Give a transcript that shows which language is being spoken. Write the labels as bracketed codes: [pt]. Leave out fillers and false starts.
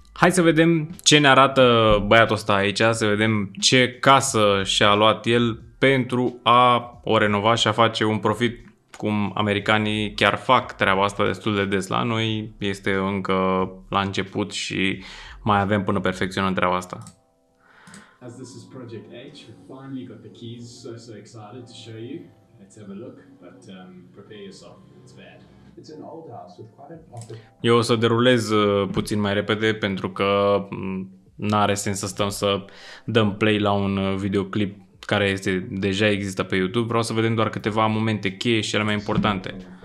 [ro] Hai să vedem ce ne arată băiatul ăsta aici, să vedem ce casă și-a luat el pentru a o renova și a face un profit, cum americanii chiar fac treaba asta destul de des la noi. Este încă la început și mai avem până perfecționăm treaba asta. [en] As this is Project H, we finally got the keys, so excited to show you. Let's have a look, but prepare yourself, it's bad. It's an old house with quite a lot of... [ro] Eu o să derulez puțin mai repede pentru că n-are sens să stăm să dăm play la un videoclip care este deja există pe YouTube. Vreau să vedem doar câteva momente cheie și cele mai importante.